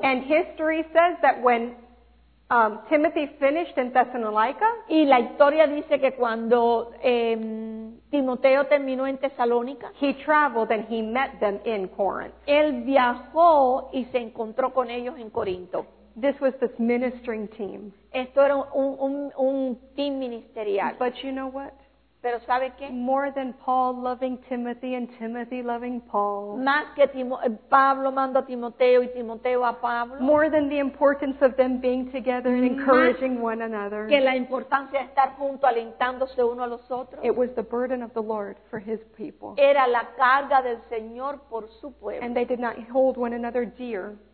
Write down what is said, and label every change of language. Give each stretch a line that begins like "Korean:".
English: And history says that when Timothy finished in Thessalonica,
Spanish: y la historia dice que cuando Timoteo terminó en Tesalónica,
English: he traveled and he met them in Corinth.
Spanish: Él viajó y se encontró con ellos en Corinto.
English: This was this ministering team.
Spanish: Esto era un team ministerial.
English: But you know what?
Spanish: Pero ¿sabe qué?
English: More than Paul loving Timothy and Timothy loving Paul.
Spanish: Más que Pablo manda a Timoteo y Timoteo a Pablo.
English: More than the importance of them being together and encouraging one another.
Spanish: Que la importancia de estar juntos alentándose uno a los otros.
English: It was the burden of the Lord for his people.
Spanish: Era la carga del Señor por su pueblo.
English: And they did not hold one another dear.